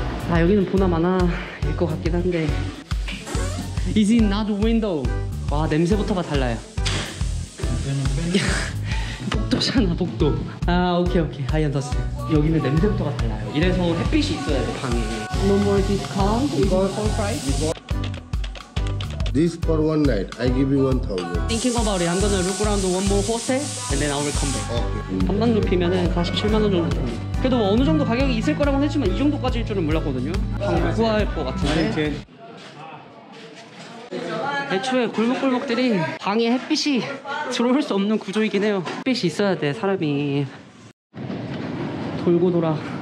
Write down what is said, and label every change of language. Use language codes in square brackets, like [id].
[ko] 아 여기는 보나마나일 것 같긴 한데. [en] Is it not window? [ko] 와 냄새부터가 달라요. 복도잖아 복도. 아 오케이 오케이 [en] I understand. [ko] 여기는 냄새부터가 달라요. 이래서 햇빛이 있어야 돼 방에. [en] No more discount. We go for price. This for one night, I give you 1,000. Thinking about it, I'm gonna look around one more hotel, and then I will come back. Okay. [ko] 한 방 높이면은 47만 원 정도 됩니다. 그래도 뭐 어느 정도 가격이 있을 거라고는 했지만 이 정도까지일 줄은 몰랐거든요. 방 구할 것 같은데. 애초에 골목골목들이 방에 햇빛이 들어올 수 없는 구조이긴 해요. 햇빛이 있어야 돼, 사람이. 돌고 돌아.